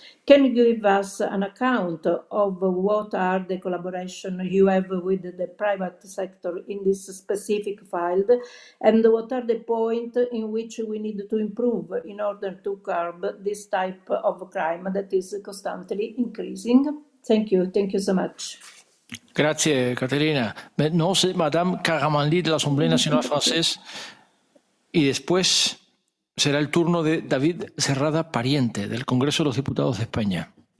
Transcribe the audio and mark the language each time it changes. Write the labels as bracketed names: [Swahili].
[English] Can you give us an account of what are the collaboration you have with the private sector in this specific field, and what are the points in which we need to improve in order to curb this type of crime that is constantly increasing? Thank you so much. [Italian] Grazie, Caterina. [French] Maintenant, c'est Madame Caramanli de l'Assemblée nationale française. [Spanish] Y después será el turno de David Serrada, Pariente, del Congreso de los Diputados de España.